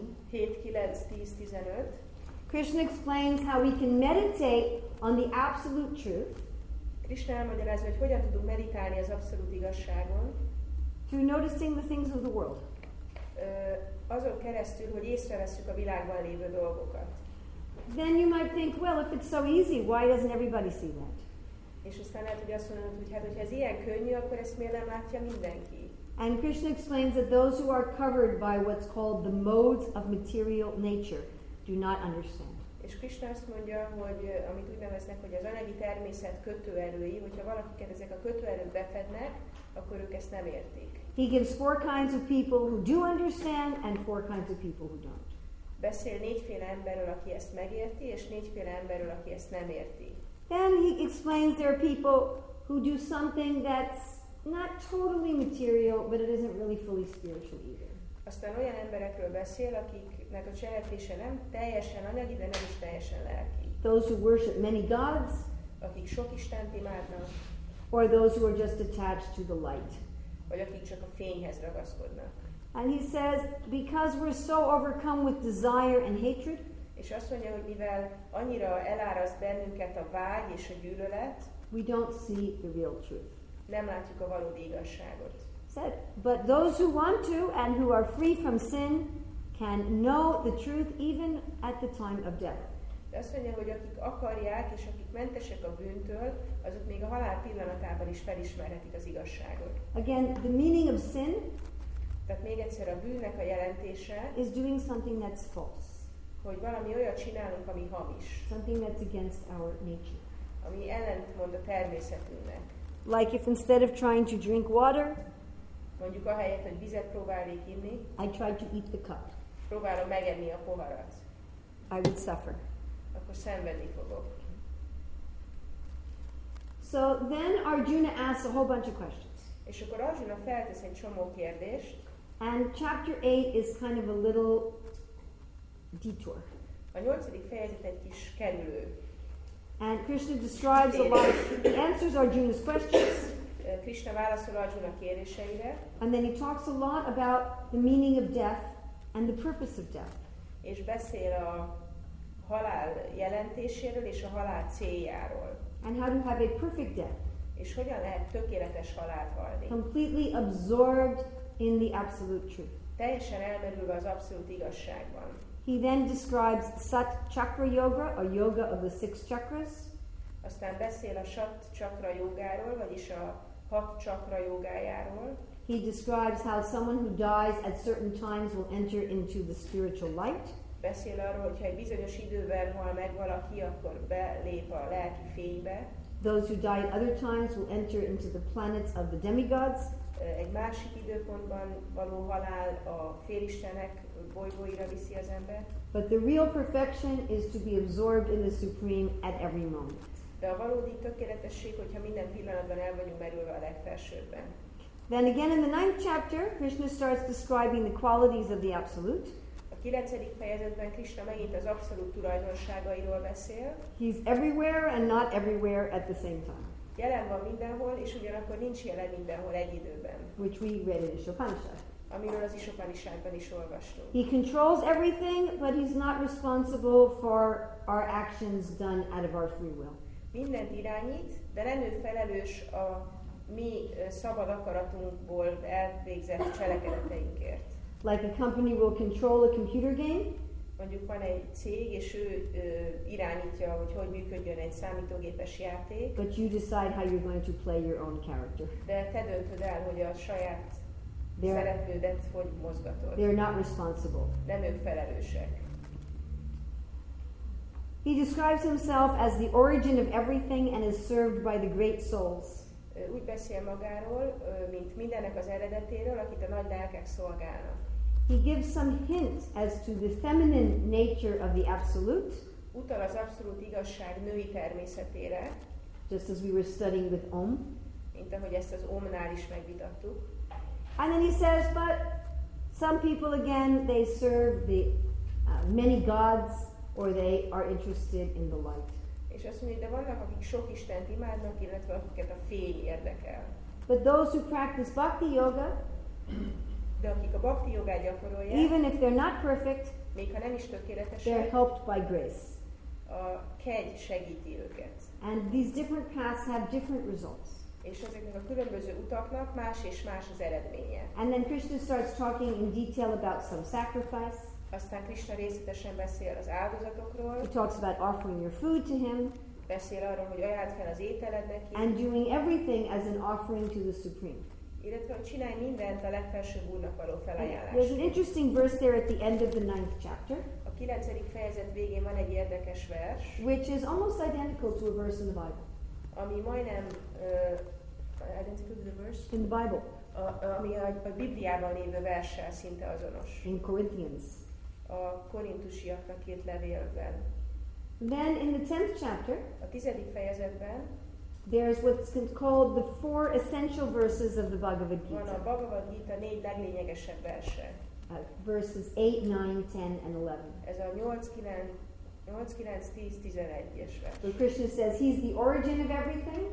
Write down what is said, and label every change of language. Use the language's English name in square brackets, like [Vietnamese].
[English] 7, 9, 10, 15, Krishna explains how we can meditate on the absolute truth. [Hungarian] Krishna elmagyarázza, hogy hogyan tudunk meditálni az abszolút igazságon. [English] Through noticing the things of the world. [Hungarian] Azon keresztül, hogy észreveszünk a világban lévő dolgokat. [English] Then you might think, well, if it's so easy, why doesn't everybody see that? [Hungarian] És aztán lehet, hogy azt mondod, hogy hát, hogyha ez ilyen könnyű, akkor ezt miért nem látja mindenki? [English] And Krishna explains that those who are covered by what's called the modes of material nature do not understand. [Hungarian] És Krishna azt mondja, hogy amit úgy neveznek, hogy az anyagi természet kötőerői, hogyha valakiket ezek a kötőerők befednek, akkor ők ezt nem értik. [English] He gives four kinds of people who do understand and four kinds of people who don't. [Hungarian] Beszél négyféle emberről, aki ezt megérti, és négyféle emberről, aki ezt nem érti. [English] Then he explains there are people who do something that's not totally material, but it isn't really fully spiritual either. [Hungarian] Aztán olyan emberekről beszél, akiknek a cselekvése nem teljesen anyagi, de nem is teljesen lelki. [English] Those who worship many gods, [Hungarian] akik sok istent imádnak, [English] or those who are just attached to the light, [Hungarian] vagy akik csak a fényhez ragaszkodnak. [English] And he says, because we're so overcome with desire and hatred, [Hungarian] és azt mondja, hogy mivel annyira eláraszt bennünket a vágy és a gyűlölet, [English] we don't see the real truth. [Hungarian] Nem látjuk a valódi igazságot. [English] Said, but those who want to and who are free from sin can know the truth even at the time of death. [Hungarian] De azt mondja, hogy akik akarják és akik mentesek a bűntől, azok még a halál pillanatában is felismerhetik az igazságot. [English] Again, the meaning of sin, [Hungarian] tehát még egyszer a bűnnek a jelentése, [English] is doing something that's false. [Hungarian] Hogy valami olyat csinálunk, ami hamis. [English] Something that's against our nature. [Hungarian] Ami ellentmond a természetünknek. [English] Like if instead of trying to drink water, [Hungarian] mondjuk ahelyett, hogy vizet próbálnék inni, [English] I tried to eat the cup. [Hungarian] Próbálom megenni a poharat. [English] I would suffer. [Hungarian] Akkor szenvedni fogok. [English] So then Arjuna asks a whole bunch of questions. [Hungarian] És akkor Arjuna feltesz egy csomó kérdést. [English] And chapter 8 is kind of a little detour. [Hungarian] A 8. fejezet egy kis kerülő. [English] And Krishna describes a lot of, he answers Arjuna's questions. [Hungarian] Krishna válaszol Arjuna kéréseire. [English] And then he talks a lot about the meaning of death and the purpose of death. [Hungarian] És beszél a halál jelentéséről és a halál céljáról. [English] And how to have a perfect death. [Hungarian] És hogyan lehet tökéletes halált halni. [English] Completely absorbed in the absolute truth. [Hungarian] Teljesen elmerülve az abszolút igazságban. [English] He then describes Sat Chakra Yoga, a yoga of the six chakras. [Hungarian] Aztán beszél a Sat Chakra Yogáról, vagyis a hat chakra jogájáról. [English] He describes how someone who dies at certain times will enter into the spiritual light. [Hungarian] Beszél arról, hogyha egy bizonyos idővel hal meg valaki, akkor belép a lelki fénybe. [English] Those who die at other times will enter into the planets of the demigods. [Hungarian] Egy másik időpontban való halál a félistenek bolygóira viszi az ember. [English] But the real perfection is to be absorbed in the supreme at every moment. [Hungarian] De a valódi tökéletesség, hogyha minden pillanatban el vagyunk merülve a legfelsőbben. [English] Then again in the 9th chapter, Krishna starts describing the qualities of the absolute. [Hungarian] A 9. fejezetben Krisna megint az abszolút tulajdonságairól beszél. [English] He's everywhere and not everywhere at the same time. [Hungarian] Jelen van mindenhol, és ugyanakkor nincs jelen mindenhol egy időben. [English] Which we read in Isopanishad. [Hungarian] Amiről az Isopanishadban is olvastunk. [English] He controls everything, but he's not responsible for our actions done out of our free will. [Hungarian] Mindent irányít, de nem ő felelős a mi szabad akaratunkból elvégzett cselekedeteinkért. [English] Like a company will control a computer game. [Hungarian] Mondjuk van egy cég, és ő irányítja, hogy hogy működjön egy számítógépes játék. [English] But you decide how you're going to play your own character. [Hungarian] De te döntöd el, hogy a saját szereplődet hogy mozgatod. [English] They're not responsible. [Hungarian] Nem ők felelősek. [English] He describes himself as the origin of everything and is served by the great souls. [Hungarian] Úgy beszél magáról, mint mindennek az eredetéről, akit a nagy lelkek szolgálnak. [English] He gives some hints as to the feminine nature of the absolute. [Hungarian] Utal az abszolút igazság női természetére. [English] Just as we were studying with Om. [Hungarian] Mint ahogy ezt az Omnál is megvitattuk. [English] And then he says, but some people again, they serve the many gods, or they are interested in the light. [Hungarian] És azt mondja, de vannak, akik sok istent imádnak, illetve akiket a fény érdekel. [English] But those who practice bhakti yoga, [Hungarian] de akik a bhakti yogát gyakorolják, [English] even if they're not perfect, [Hungarian] még ha nem is tökéletesek, [English] they're helped by grace. [Hungarian] A kegy segíti őket. [English] And these different paths have different results. [Hungarian] És ezeknek a különböző utaknak más és más az eredménye. [English] And then Krishna starts talking in detail about some sacrifice. [Hungarian] Aztán Krishna részletesen beszél az áldozatokról. [English] He talks about offering your food to him. [Hungarian] Beszél arról, hogy ajánld fel az ételed neki. [English] And doing everything as an offering to the Supreme. [Hungarian] Illetve, hogy csinálj mindent a legfelsőbb úrnak való felajánlásként. [English] There's an interesting verse there at the end of the 9th chapter. [Hungarian] A 9. fejezet végén van egy érdekes vers. [English] Which is almost identical to a verse in the Bible. [Hungarian] Ami majdnem [English] identical to the verse? In the Bible. [Hungarian] Ami a Bibliában lévő verssel szinte azonos. [English] In Corinthians. [Hungarian] A korintusiaknak írt levélben. [English] Then in the 10th chapter, [Hungarian] a 10. fejezetben, [English] there is what's called the four essential verses of the Bhagavad Gita. [Hungarian] Van a Bhagavad Gita 4 leglényegesebb verse. [English] Verses 8, 9, 10 and 11. [Hungarian] Ez a 8, 9, 10, 11-es vers. [English] So Krishna says he's the origin of everything.